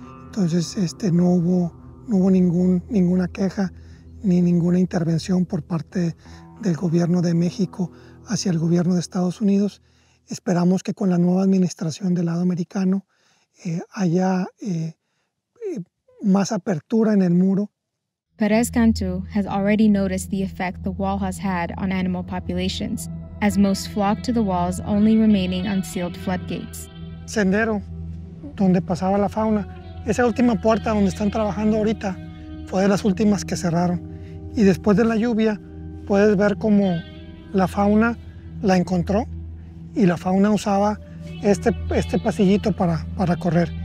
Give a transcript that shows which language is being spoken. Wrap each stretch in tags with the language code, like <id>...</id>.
<es>Entonces no hubo ninguna queja ni ninguna intervención por parte del gobierno de México hacia el gobierno de Estados Unidos. Esperamos que con la nueva administración del lado americano haya más apertura en el muro.</es> <en>Perez Cantu has already noticed the effect the wall has had on animal populations, as most flock to the wall's only remaining unsealed floodgates.</en> <es>Sendero, donde pasaba la fauna. Esa última puerta donde están trabajando ahorita fue de las últimas que cerraron. Y después de la lluvia, puedes ver cómo la fauna la encontró y la fauna usaba este pasillito para correr.</es>